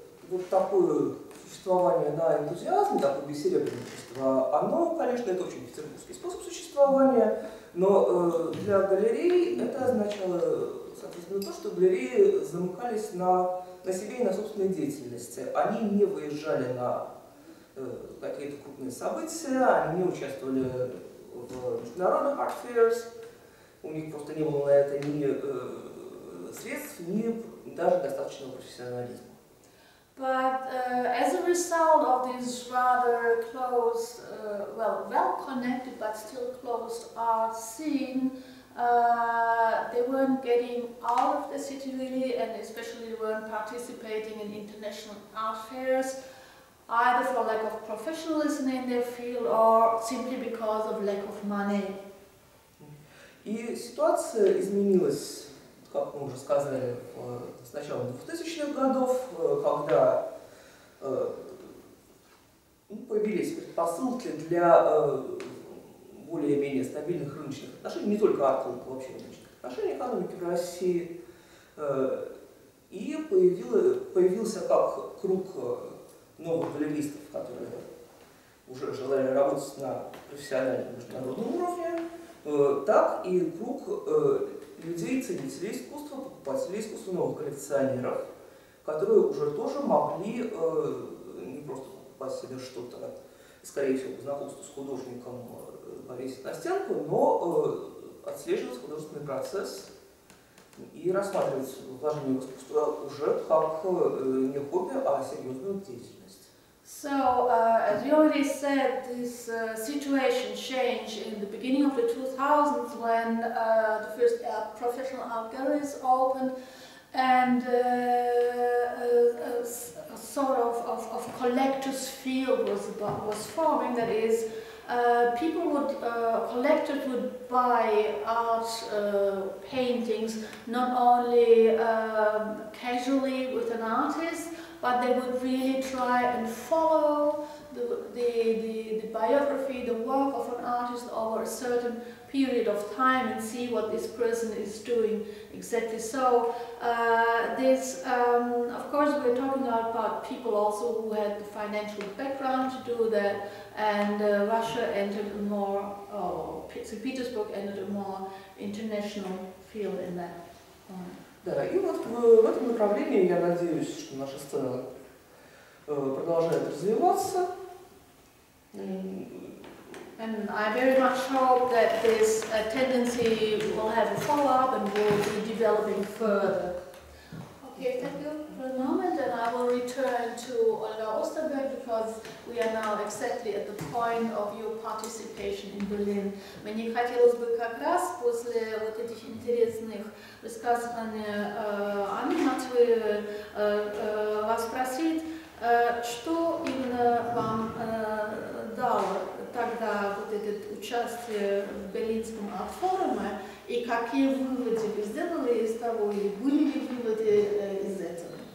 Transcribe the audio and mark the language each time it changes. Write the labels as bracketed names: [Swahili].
[Russian] Вот такое существование, да, энтузиазм, такое бессеребренничество, оно, конечно, это очень петербургский способ существования, но для галерей это означало, соответственно, то, что галереи замыкались на себе и на собственной деятельности. Они не выезжали на какие-то крупные события, они не участвовали в международных art fairs, у них просто не было на это ни средств, ни даже достаточного профессионализма. [English] But as a result of this rather close, well-connected but still closed art scene, they weren't getting out of the city really, and especially weren't participating in international art fairs, either for lack of professionalism in their field or simply because of lack of money. [Russian] И ситуация изменилась, как мы уже сказали, с начала 2000-х годов, когда появились предпосылки для более-менее стабильных рыночных отношений, не только арт-клуб, вообще рыночных отношений экономики в России, и появился как круг новых галеристов, которые уже желали работать на профессиональном международном уровне, так и круг людей, ценителей искусства, покупателей искусства, новых коллекционеров, которые уже тоже могли не просто покупать себе что-то, скорее всего, знакомство с художником повесить на стенку, но отслеживать художественный процесс и рассматривать вложение в искусство уже как не хобби, а серьезную деятельность. [English] So, as you already said, this situation changed in the beginning of the 2000s when the first professional art galleries opened. And a sort of collector's field was forming. That is, people would collectors would buy art paintings not only casually with an artist, but they would really try and follow the biography, the work of an artist over a certain period of time and see what this person is doing exactly. So this, of course, we're talking about people also who had the financial background to do that, and Russia entered a more, St. Petersburg entered a more international field in that point. [Russian] Да, и вот в этом направлении я надеюсь, что наша сцена продолжает развиваться. [English] And I very much hope that this tendency will have a follow-up and will be developing further. Okay, thank you for a moment, and I will return to Olga Osterberg because we are now exactly at the point of your participation in Berlin. [Russian] Мне хотелось бы как раз после вот этих интересных высказываний Анны Матвеевой вас спросить, что именно вам дало тогда вот это участие в Берлинском арт-форуме, и какие выводы вы сделали из того, или были ли выводы из этого?